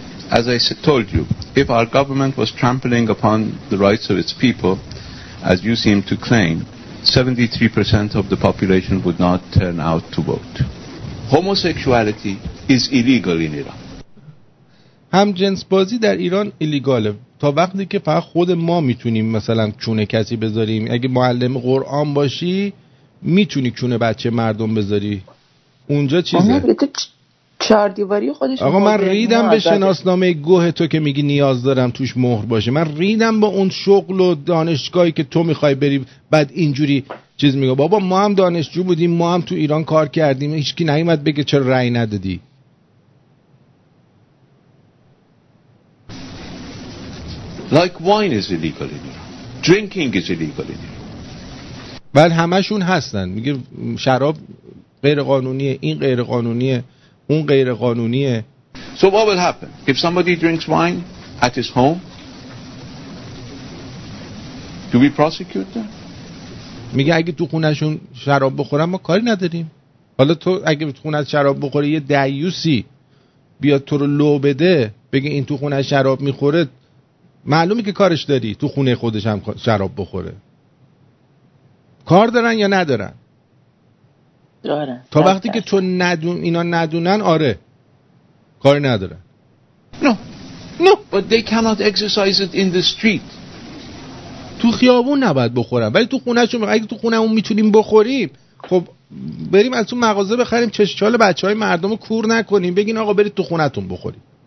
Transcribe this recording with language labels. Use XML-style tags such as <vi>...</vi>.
<en>As I told you, if our government was trampling upon the rights of its people, as you seem to claim, 73% of the population would not turn out to vote. Homosexuality is illegal in Iran.</en> <fa>همجنس بازی در ایران ایلیگاله. تا وقتی که فقط خود ما میتونیم مثلا چونه کسی بذاریم. اگه معلم قرآن باشی میتونی چونه بچه مردم بذاری. اونجا چیزه. آقا چهاردیواری خودش. آقا من ریدم به شناسنامه گوه تو که میگی نیاز دارم توش مهر باشه. من ریدم با اون شغل و دانشگاهی که تو میخوای بری بعد اینجوری چیز میگه. بابا ما هم دانشجو بودیم، ما هم تو ایران کار کردیم، هیچ کی نیومد بگه چرا رأی ندادی.</fa> <en>Like wine is illegal in Iran. Drinking is illegal in Iran.</en> <fa>بعد همشون هستن. میگه شراب غیر قانونیه، این غیر قانونیه، اون غیر قانونیه.</fa> <en>So what will happen if somebody drinks wine at his home? Do we prosecute them?</en> <fa>میگه اگه تو خونهشون شراب بخورن ما کاری نداریم. حالا تو اگه تو خونه شراب بخوری یه دیوسی بیاد تو رو لو بده بگه این تو خونه شراب میخوره، معلومه که کارش داری تو خونه خودش هم شراب بخوره. کار دارن یا ندارن؟ دارن. تا وقتی که تو ندون اینا ندونن، آره کاری ندارن.</fa> <en>No, but they cannot exercise it in the street.</en> <fa>تو خیابون نباید بخورم، ولی تو خونه شون اگه تو خونه اون میتونیم بخوریم، خب بریم از تو مغازه بخریم، چشچال بچه های مردم رو کور نکنیم، بگین آقا برید تو خونه تون بخوریم.</fa>